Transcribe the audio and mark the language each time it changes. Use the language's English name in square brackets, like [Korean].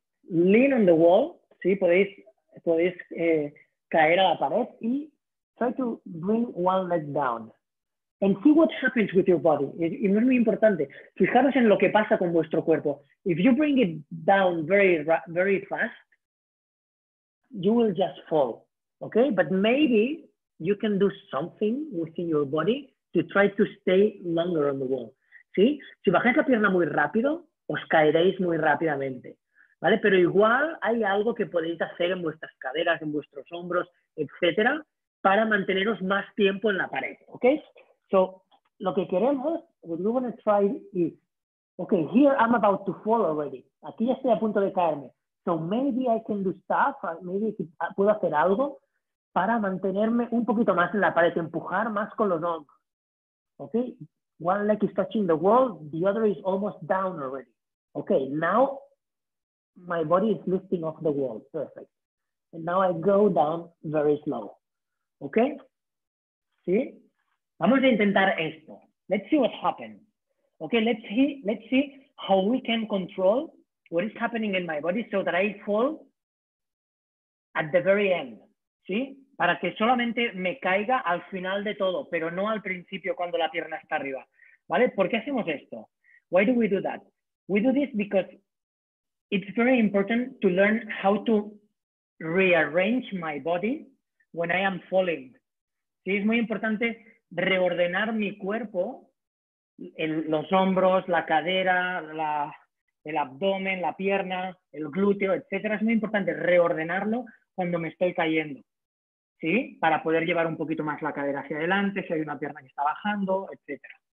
[English] Lean on the wall. [Spanish] ¿Sí? Podéis caer a la pared [English] y try to bring one leg down. And see what happens with your body. [Spanish] Y es muy importante. Fijaros en lo que pasa con vuestro cuerpo. [English] If you bring it down very, very fast, you will just fall. Okay, but maybe you can do something within your body to try to stay longer on the wall. [Spanish] ¿Sí? Si bajáis la pierna muy rápido, os caeréis muy rápidamente. ¿Vale? Pero igual hay algo que podéis hacer en vuestras caderas, en vuestros hombros, etcétera, para manteneros más tiempo en la pared. [English] ¿Okay? So, [Spanish] lo que queremos, [English] what we want to try is, okay, here I'm about to fall already. [Spanish] Aquí ya estoy a punto de caerme. [English] So, maybe I can do stuff, maybe [Spanish] puedo hacer algo para mantenerme un poquito más en la pared, empujar más con los hombros. [English] Okay, one leg is touching the wall, the other is almost down already. Okay, now my body is lifting off the wall, perfect. And now I go down very slow. Okay, ¿sí? [Spanish] Vamos a intentar esto. [English] Let's see what happens. Okay, let's see how we can control what is happening in my body so that I fall at the very end, ¿sí? [Spanish] Para que solamente me caiga al final de todo, pero no al principio cuando la pierna está arriba. ¿Vale? ¿Por qué hacemos esto? [English] Why do we do that? We do this because it's very important to learn how to rearrange my body when I am falling. [Spanish] Sí, es muy importante reordenar mi cuerpo, los hombros, la cadera, el abdomen, la pierna, el glúteo, etcétera. Es muy importante reordenarlo cuando me estoy cayendo, ¿sí? Para poder llevar un poquito más la cadera hacia adelante, si hay una pierna que está bajando, etcétera.